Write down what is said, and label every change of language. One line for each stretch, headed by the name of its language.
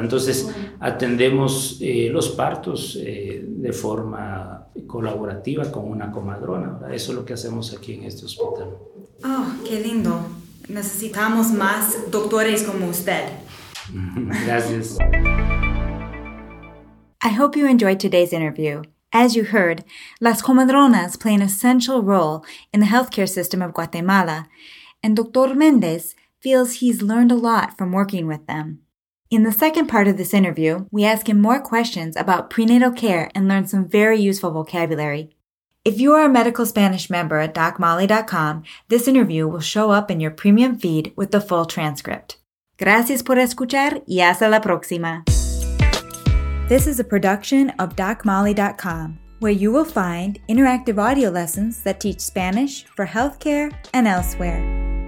Spanish: Entonces, atendemos los partos de forma colaborativa con una comadrona, ¿verdad? Eso es lo que hacemos aquí en este hospital. ¡Oh, qué lindo! Necesitamos más doctores como usted. Gracias.
English: I hope you enjoyed today's interview. As you heard, las comadronas play an essential role in the healthcare system of Guatemala, and Dr. Mendez feels he's learned a lot from working with them. In the second part of this interview, we ask him more questions about prenatal care and learn some very useful vocabulary. If you are a medical Spanish member at DocMolly.com, this interview will show up in your premium feed with the full transcript.
Spanish: Gracias por escuchar y hasta la próxima.
English: This is a production of DocMolly.com, where you will find interactive audio lessons that teach Spanish for healthcare and elsewhere.